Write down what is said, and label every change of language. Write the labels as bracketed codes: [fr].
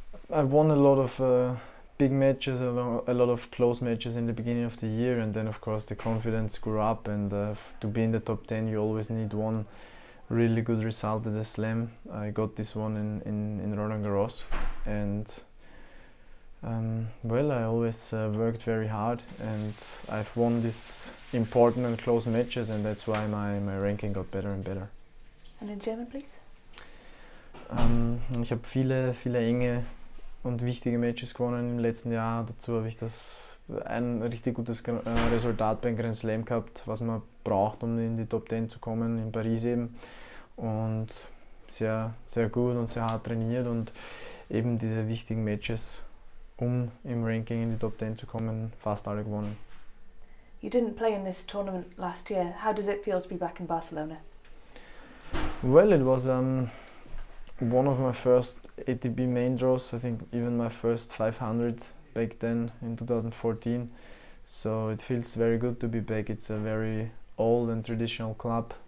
[en] I won a lot of big matches, a lot of close matches in the beginning of the year, and then of course the confidence grew up, and to be in the top 10 you always need one really good result at the Slam. I got this one in Roland Garros, and well, I always worked very hard, and I've won these important and close matches, and that's why my ranking got better and better. And in German, please. [de] Ich habe viele enge und wichtige Matches gewonnen im letzten Jahr. Dazu habe ich ein richtig gutes Resultat beim Grand Slam gehabt, was man braucht, um in die Top 10 zu kommen, in Paris eben. Und sehr, sehr gut und sehr hart trainiert und eben diese wichtigen Matches, um im Ranking in die Top 10 zu kommen, fast alle gewonnen. [en] You didn't play in this tournament last year. How does it feel to be back in Barcelona? Well, it was one of my first ATP main draws, I think even my first 500 back then in 2014. So it feels very good to be back. It's a very old and traditional club.